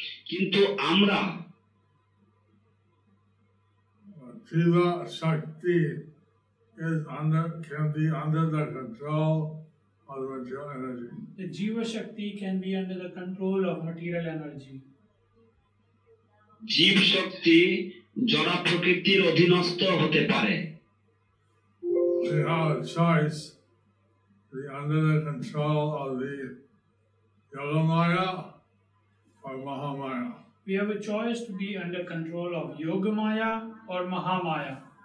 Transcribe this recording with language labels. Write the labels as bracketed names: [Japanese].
[Bangla] কিন্তু আমরা [English] জীবা শক্তি is under can be under the control of material energy. The jiva shakti can be under the control of material energy. [Bangla] জীব শক্তি জড় প্রকৃতির অধীনস্থ হতে পারে. [English] We have a choice to be under the control of the Yogamaya or Mahamaya. We have a choice to be under control of Yoga Maya or Mahamaya.